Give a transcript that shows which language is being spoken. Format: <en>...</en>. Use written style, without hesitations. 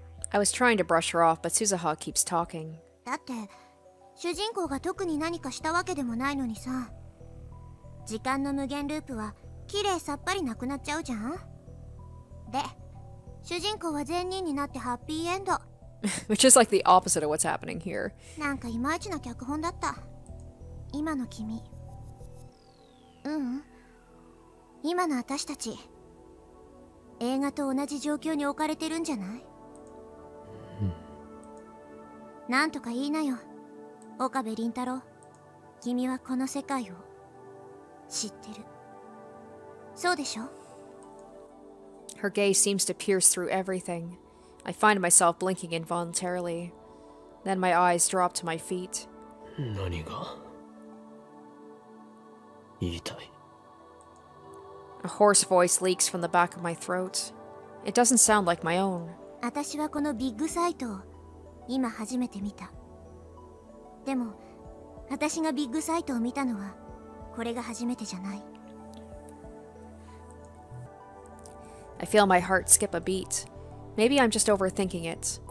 <en>I was trying to brush her off, but Suzuha keeps talking.</en> <ja>だって、主人公が特に何かしたわけでもないのにさ。時間の無限ループは、きれいさっぱりなくなっちゃうじゃん。で、主人公は善人になってハッピーエンド。</ja> <en>Which is like the opposite of what's happening here.</en> <ja>なんかいまいちな脚本だった。今の君。うん。今の私たち。映画と同じ状況に置かれてるんじゃない? なんとか言いなよ、岡部凛太郎。君はこの世界を知ってる。そうでしょ?</ja> <en>Her gaze seems to pierce through everything. I find myself blinking involuntarily. Then my eyes drop to my feet.</en> <ja>何が言いたい?</ja> <en>A hoarse voice leaks from the back of my throat. It doesn't sound like my own.</en> <ja>私はこのビッグサイトを今初めて見た。でも、私がビッグサイトを見たのは、これが初めてじゃない。</ja> <en>I feel my heart skip a beat. Maybe I'm just overthinking it.</en>